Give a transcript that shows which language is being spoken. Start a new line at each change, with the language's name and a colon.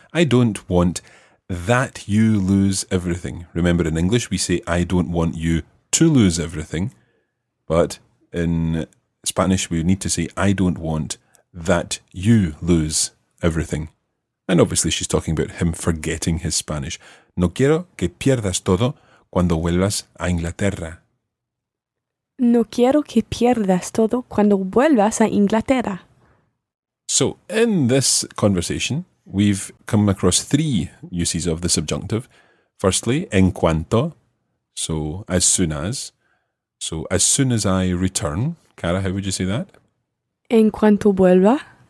English: I don't want that you lose everything. Remember, in English, we say I don't want you to lose everything. But in Spanish, we need to say I don't want that you lose everything. And obviously, she's talking about him forgetting his Spanish.
Spanish: No quiero que pierdas todo cuando vuelvas a Inglaterra. No quiero que pierdas todo cuando vuelvas a Inglaterra.
English: So, in this conversation, we've come across three uses of the subjunctive. Firstly,
Spanish: en cuanto,
English: so as soon as. So, as soon as I return. Cara, how would you say that?
Spanish: En cuanto vuelva.